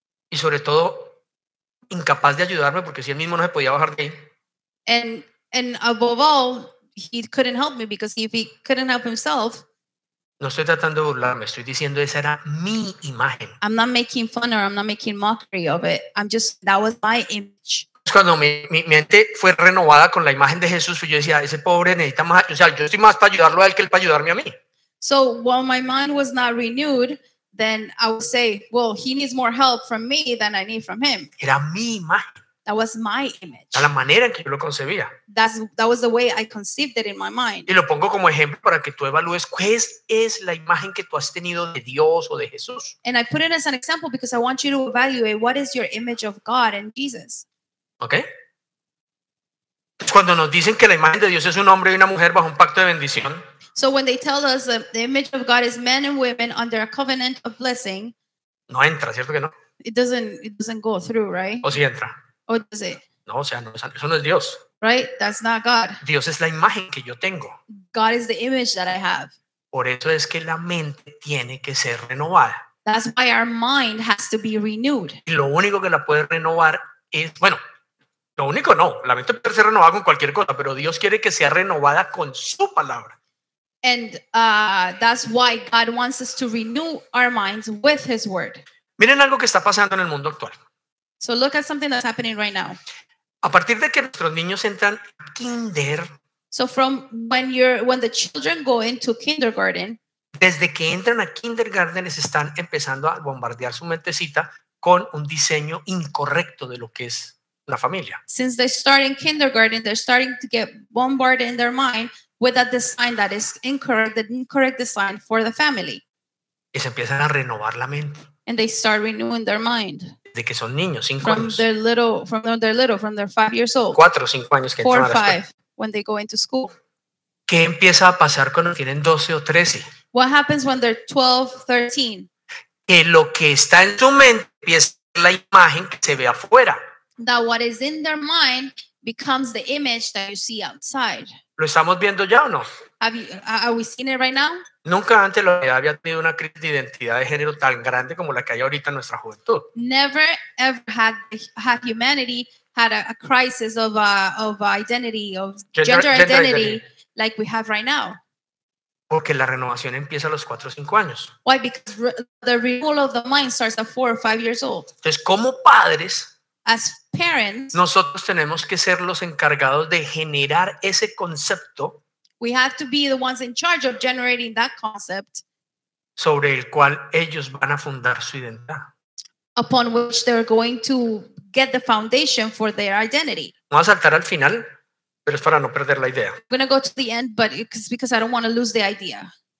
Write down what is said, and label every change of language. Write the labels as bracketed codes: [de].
[es] Y sobre todo, incapaz de ayudarme porque si él mismo no se podía bajar de ahí. [en] And above all, he couldn't help me because if he couldn't help himself. [es] No estoy tratando de burlarme, estoy diciendo esa era mi imagen. [en] I'm not making fun or I'm not making mockery of it. I'm just, that was my image. [es] Cuando mi mente fue renovada con la imagen de Jesús, yo decía, ese pobre necesita más, o sea, yo estoy más para ayudarlo a él que él para ayudarme a mí. [en] So while my mind was not renewed, then I would say, well, he needs more help from me than I need from him. [es] Era mi imagen. [en] That was my image. [es] A la manera en que yo lo concebía. [en] That was the way I conceived it in my mind. [es] Y lo pongo como ejemplo para que tú evalúes cuál es la imagen que tú has tenido de Dios o de Jesús. [en] And I put it as an example because I want you to evaluate what is your image of God and Jesus. Okay. [es] Cuando nos dicen que la imagen de Dios es un hombre y una mujer bajo un pacto de bendición. [en] So when they tell us that the image of God is men and women under a covenant of blessing. [es] No entra, ¿cierto que no? [en] It doesn't go through, right? [es] O sí entra. [en] Or does it? [es] No, o sea, no, eso no es Dios. [en] Right? That's not God. [es] Dios es la imagen que yo tengo. [en] God is the image that I have. [es] Por eso es que la mente tiene que ser renovada. [en] That's why our mind has to be renewed. [es] Y lo único que la puede renovar es, bueno, lo único no, la mente puede ser renovada con cualquier cosa, pero Dios quiere que sea renovada con su palabra. [en] And that's why God wants us to renew our minds with his word. [es] Miren algo que está pasando en el mundo actual. [en] So look at something that's happening right now. [es] A partir de que nuestros niños entran a kinder, [en] So from when you're when the children go into kindergarten, [es] desde que entran a kindergarten les están empezando a bombardear su mentecita con un diseño incorrecto de lo que es la familia. [en] Since they start in kindergarten, they're starting to get bombarded in their mind with a design that is incorrect, the incorrect design for the family. [es] Y se empiezan a renovar la mente. [en] And they start renewing their mind. [es] De que son niños, cinco [en] from [es] años. [en] Their little, from when they're little, from their 5 years old. [es] 4 o 5 años que [en] four [es] entran a la escuela. [en] 4 or 5. When they go into school. [es] ¿Qué empieza a pasar cuando tienen 12 o 13? [en] What happens when they're 12, 13? [es] Que lo que está en su mente empieza a ser la imagen que se ve afuera. [en] That what is in their mind becomes the image that you see outside. [es] ¿Lo estamos viendo ya o no? [en] Are we seeing it right now? [es] Nunca antes lo había tenido una crisis de identidad de género tan grande como la que hay ahorita en nuestra juventud. [en] Never ever had humanity had a crisis of identity, of gender identity like we have right now. [es] Porque la renovación empieza a los 4 o 5 años. [en] Why? Because the renewal of the mind starts at 4 or 5 years old. [es] Entonces, como padres, [en] as parents, [es] nosotros tenemos que ser los encargados de generar ese concepto. [en] We have to be the ones in charge of generating that concept. [es] Sobre el cual ellos van a fundar su identidad. [en] Upon which they're going to get the foundation for their identity. [es] Vamos a saltar al final, pero es para no perder la idea. [en] I'm going to go to the end, but it's because I don't want to lose the idea.